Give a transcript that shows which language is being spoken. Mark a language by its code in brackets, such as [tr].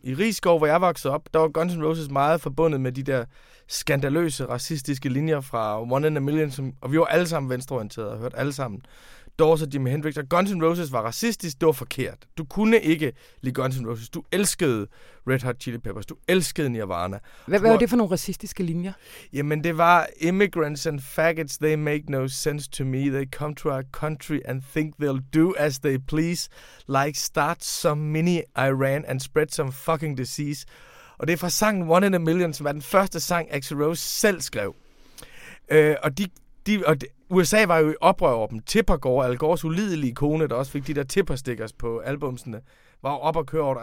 [da] I Risskov, hvor jeg voksede op, der var Guns N' Roses meget forbundet med de der skandaløse, racistiske linjer fra One in a Million, som, og vi var alle sammen venstreorienterede og hørte alle sammen Doors og Jimi Hendrix, og Guns N' Roses var racistisk, det var forkert. Du kunne ikke lide Guns N' Roses. Du elskede Red Hot Chili Peppers. Du elskede Nirvana. Hvad var det for nogle racistiske linjer? Jamen, det var [en] immigrants and faggots, they make no sense to me. They come to our country and think they'll do as they please. Like start some mini Iran and spread some fucking disease. [da] Og det er fra sangen One in a Million, som er den første sang, Axl Rose selv skrev. Og USA var jo i oprør over dem. Tipper Gore, Al Gores ulidelige kone, der også fik de der tipperstickers på albumsene, var op at køre over det.